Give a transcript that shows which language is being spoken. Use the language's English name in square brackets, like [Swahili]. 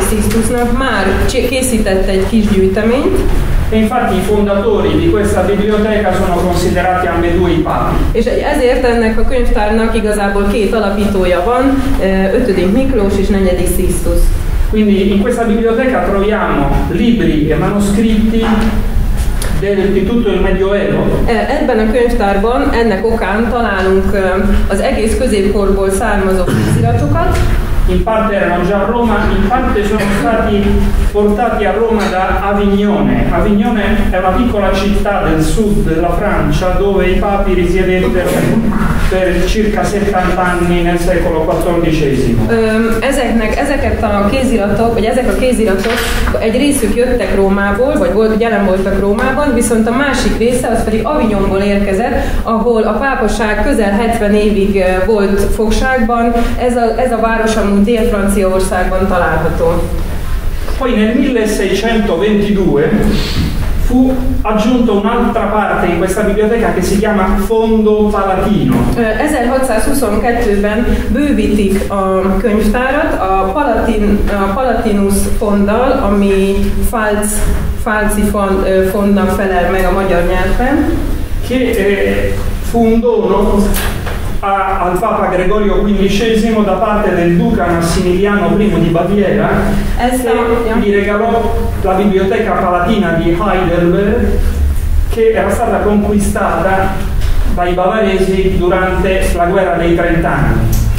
[Hungarian] Sisztusnak, már készítette egy kis gyűjteményt. [Italian] E infatti i fondatori di questa biblioteca sono considerati ambedue i papi. [Hungarian] És ezért ennek a könyvtárnak igazából két alapítója van, ötödik Miklós és IV. Sisztus. [Italian] Quindi in questa biblioteca troviamo libri e manoscritti di tutto il Medioevo. [Hungarian] Ebben a könyvtárban ennek okán találunk az egész középkorból származó iratokat. [Italian] In parte erano già a Roma, in parte sono stati portati a Roma da Avignone. Avignone è una piccola città del sud della Francia dove i papi risiedettero per circa 70 anni nel secolo XIV. [Hungarian] Ezeket a kéziratok, vagy ezek a kéziratok egy részük jöttek Rómából, vagy jelen voltak Rómában, viszont a másik része az pedig Avignonból érkezett, ahol a pápaság közel 70 évig volt fogságban. Ez a város Dél-Franciaországban található. [Italian] Poi nel 1622 fu aggiunto un'altra parte in questa biblioteca che si chiama Fondo Palatino. [Hungarian] 1622-ben bővítik a könyvtárat a Palatinus fonddal, ami falci fondnak felel meg a magyar nyelven. [Italian] Che fu un dono al Papa Gregorio XV da parte del Duca Massimiliano I di Baviera, che gli regalò la biblioteca palatina di Heidelberg, che era stata conquistata dai bavaresi durante la guerra dei 30 anni.